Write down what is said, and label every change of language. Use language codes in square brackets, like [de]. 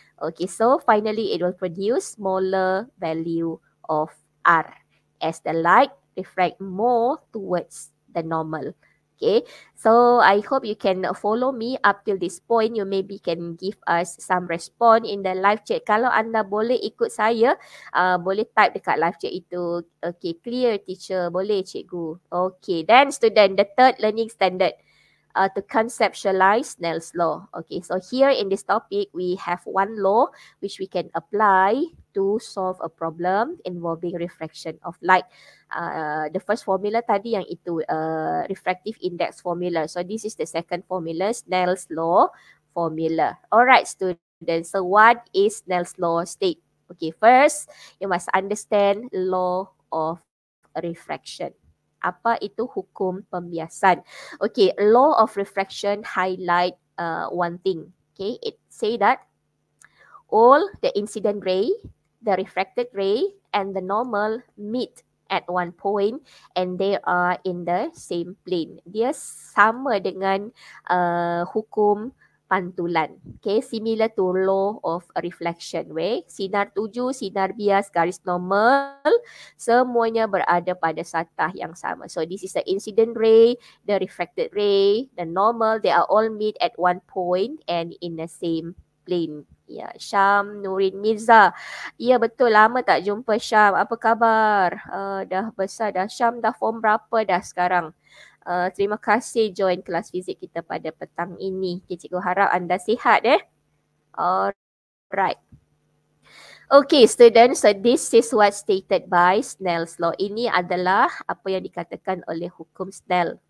[en] Okay, so finally, it will produce smaller value of R as the light refract more towards the normal. Okay, so I hope you can follow me up till this point. You maybe can give us some response in the live chat. [ms] Kalau anda boleh ikut saya, boleh type dekat live chat itu. Okay, clear teacher. Boleh cikgu. [en] Okay, then student, the third learning standard to conceptualize Snell's law. Okay, so here in this topic, we have one law which we can apply to solve a problem involving refraction of light. The first formula [ms] tadi yang itu, [en] refractive index formula. So this is the second formula, Snell's law formula. Alright students, so what is Snell's law state? Okay, first, you must understand law of refraction. [ms] Apa itu hukum pembiasan? [en] Okay, law of refraction highlight one thing. Okay, it say that all the incident ray, the refracted ray and the normal meet at one point and they are in the same plane. [ms] Dia sama dengan hukum pantulan. [en] Okay, similar to law of reflection. Where [ms] sinar tuju, sinar bias, garis normal, semuanya berada pada satah yang sama. [en] So this is the incident ray, the refracted ray, the normal, they are all meet at one point and in the same plane. [ms] Ya, yeah, Syam Nurin Mirza. Ya, yeah, betul. Lama tak jumpa Syam. Apa khabar? Dah besar dah. Syam dah form berapa dah sekarang? Terima kasih join kelas fizik kita pada petang ini. Okay, cikgu harap anda sihat eh. [en] Alright. Okay, students. So, this is what stated by Snell's law. [ms] Ini adalah apa yang dikatakan oleh hukum Snell.